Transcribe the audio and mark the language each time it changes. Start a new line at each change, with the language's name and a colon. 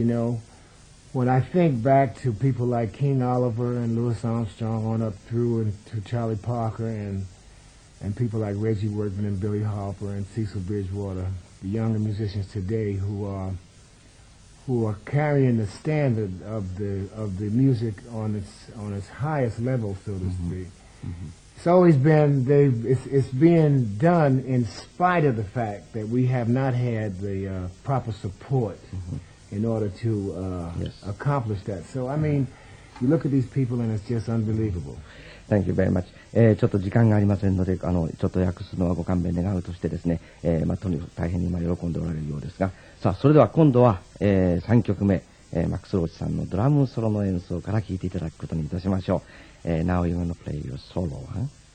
English: You know, when I think back to people like King Oliver and Louis Armstrong on up through and to Charlie Parker and people like Reggie Workman and Billy Harper and Cecil Bridgewater, the younger musicians today who are carrying the standard of the music on its highest level, so to speak. It's always been it's being done in spite of the fact that we have not had the proper support in order to accomplish that. So I mean, you look at these people and it's just unbelievable. Thank you very much.
Japanese: ちょっと時間がありませんので、ちょっと訳すのはご勘弁願うとしてですね、とにかく大変に今喜んでおられるようですが、さあそれでは今度は、3曲目、マックス・ローチさんのドラムソロの演奏から聴いていただくことにいたしましょう。
English: Now you're gonna play your solo, huh?